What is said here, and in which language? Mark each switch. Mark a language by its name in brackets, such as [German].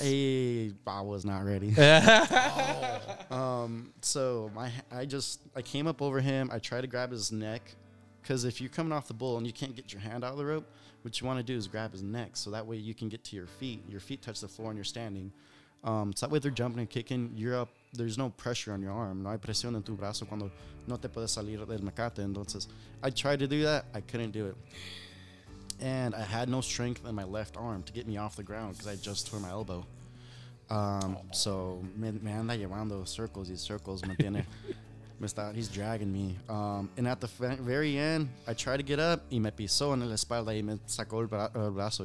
[English] I was not ready. I came up over him. I tried to grab his neck, because if you're coming off the bull and you can't get your hand out of the rope, what you want to do is grab his neck, so that way you can get to your feet. Your feet touch the floor and you're standing. So that way they're jumping and kicking. You're up. There's no pressure on your arm. [Spanish] No hay presión en tu brazo cuando no te puedes salir del mecate. Entonces, [English] I tried to do that. I couldn't do it. And I had no strength in my left arm to get me off the ground because I just tore my elbow. [Spanish] So me anda llevando circles y circles. Me tiene, me está, [English] he's dragging me. And at the very end, I tried to get up. [Spanish] Y me pisó en la espalda y me sacó el brazo.